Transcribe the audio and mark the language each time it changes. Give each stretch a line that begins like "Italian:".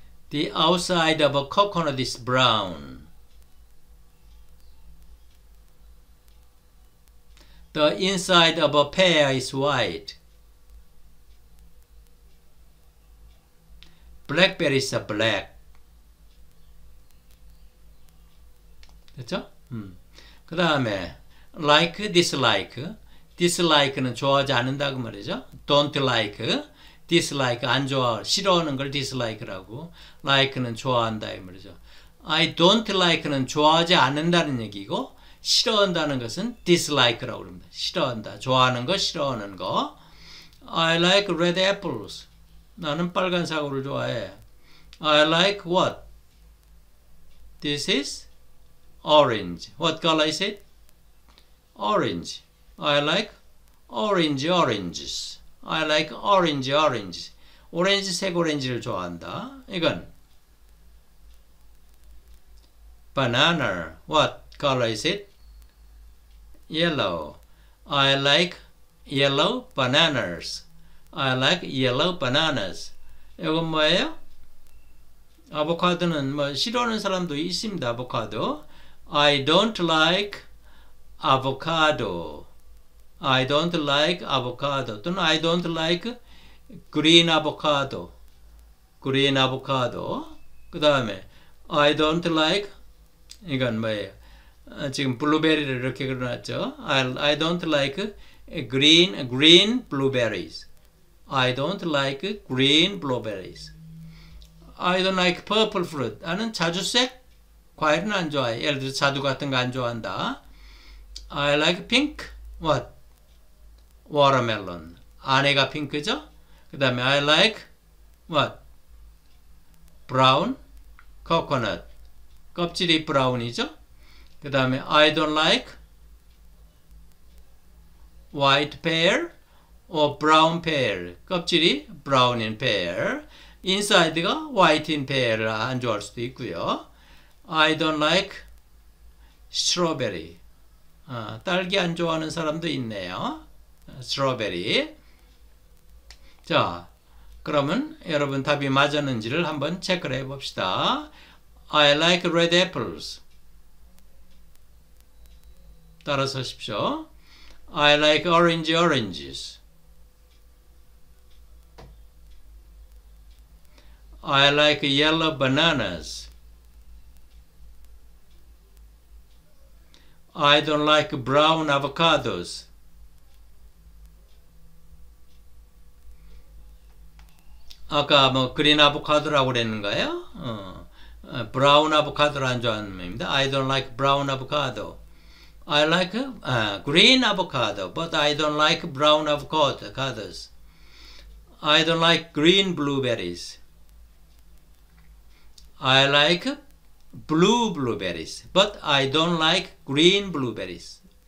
English: 'The outside of a coconut is brown. The inside of a pear is white. Blackberries are black.
Korean: 됐죠? 그 다음에 like, dislike. dislike는 좋아하지 않는다고 말이죠. don't like. dislike, 안 좋아, 싫어하는 걸 dislike라고. like는 좋아한다, 이 말이죠. I don't like는 좋아하지 않는다는 얘기고, 싫어한다는 것은 dislike라고 그럽니다. 싫어한다, 좋아하는 거, 싫어하는 거.
English: I like red apples.
Korean: 나는 빨간 사고를 좋아해.
English: I like what? This is orange. What color is it? Orange. I like orange oranges. I like orange.
Korean: 오렌지 색 오렌지를 좋아한다. 이건 Banana.
English: What color is it? Yellow. I like yellow bananas. I like yellow bananas.
Korean: 이건 뭐예요? 아보카도는 뭐 싫어하는 사람도 있습니다.
English: 아보카도. I don't like avocado. I don't like avocado. 또는 I don't like green avocado. Green avocado.
Korean: 그 다음에
English: I don't like
Korean: 이건 뭐예요? 지금 블루베리를 이렇게 그려놨죠.
English: I don't like green blueberries. I don't like green blueberries. I don't like purple fruit.
Korean: 나는 자주색 과일은 안 좋아해. 예를 들어 자두 같은 거 안 좋아한다.
English: I like pink. What? Watermelon.
Korean: 안에가 핑크죠? 그 다음에
English: I like what? Brown coconut.
Korean: 껍질이 브라운이죠? 그 다음에
English: I don't like white pear or brown pear.
Korean: 껍질이
English: brown in pear.
Korean: Inside가
English: white in pear
Korean: 안 좋아할 수도 있고요.
English: I don't like strawberry.
Korean: 딸기 안 좋아하는 사람도 있네요.
English: Strawberry.
Korean: 자, 그러면 여러분 답이 맞았는지를 한번 체크를 해봅시다.
English: I like red apples.
Korean: 따라서 하십시오.
English: I like oranges. I like yellow bananas. I don't like brown avocados. Green avocado
Korean: 라고 그랬는가요? 브라운 아보카도를 안 좋아하는 겁니다.
English: I don't like brown avocado. I like green avocado, but I don't like brown avocados. I don't like green blueberries. I like blue blueberries, but I don't like green blueberries.